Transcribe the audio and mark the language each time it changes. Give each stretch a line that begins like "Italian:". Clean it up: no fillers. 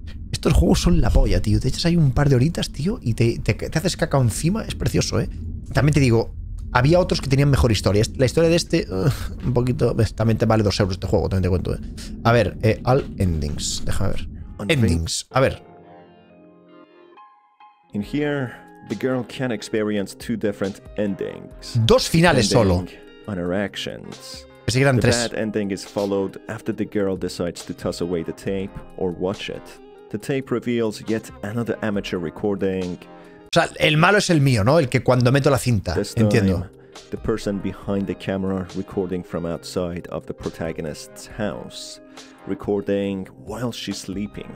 Spanish: Estos juegos son la polla, tío. Te echas ahí un par de horitas, tío, y te haces caca encima. Es precioso, ¿eh? También te digo, había otros que tenían mejor historia. La historia de este, un poquito... También te vale 2 euros este juego, también te cuento, ¿eh? A ver, All Endings. Déjame ver. Endings. A ver.
English: In here, the girl can experience two different endings.
Spanish: Dos finales solo.
English: On her actions.
Spanish: Pensé que eran 3.
English: The bad ending is followed after the girl decides to toss away the tape or watch it. The tape reveals yet another amateur recording.
Spanish: O sea, el malo es el mío, ¿no? El que cuando meto la cinta,
English: this
Spanish: entiendo.
English: Time, the person behind the camera recording from outside of the protagonist's house, recording while she's sleeping.